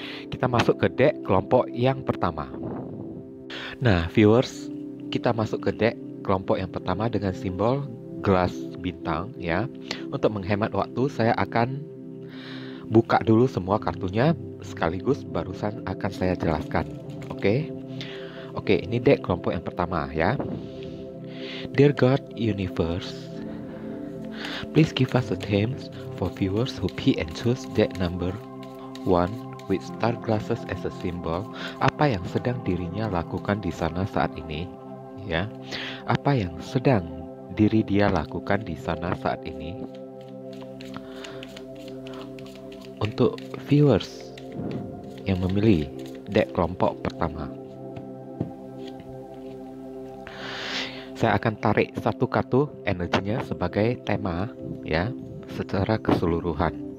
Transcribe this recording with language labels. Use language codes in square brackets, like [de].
[id] Kita masuk ke deck kelompok yang pertama. Nah, viewers, kita masuk ke deck kelompok yang pertama dengan simbol gelas bintang ya. Untuk menghemat waktu, saya akan buka dulu semua kartunya sekaligus barusan akan saya jelaskan. Oke. Oke, ini deck kelompok yang pertama ya. [en] Dear God Universe, please give us a theme for viewers who pick and choose deck number 1 with star glasses as a symbol. [id] Apa yang sedang dirinya lakukan di sana saat ini ya? Apa yang sedang diri dia lakukan di sana saat ini? Untuk viewers yang memilih deck kelompok pertama, saya akan tarik satu kartu energinya sebagai tema ya, secara keseluruhan.